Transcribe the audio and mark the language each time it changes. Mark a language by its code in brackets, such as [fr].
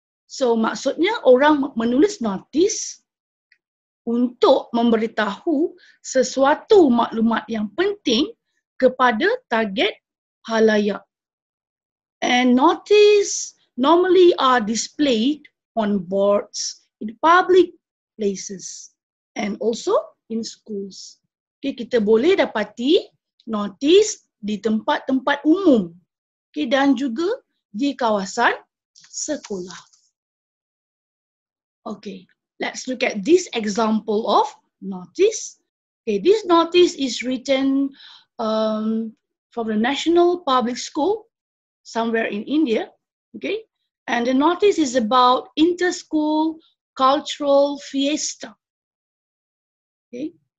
[ms] So, maksudnya orang menulis notice untuk memberitahu sesuatu maklumat yang penting kepada target khalayak. [en] And notice normally are displayed on boards in public places and also in schools. [ms] Okay, kita boleh dapati notice di tempat-tempat umum. Okay, dan juga di kawasan sekolah. [en] Okay, let's look at this example of notice. Okay, this notice is written from the National Public School somewhere in India. Okay. And the notice is about inter-school cultural fiesta. Okay.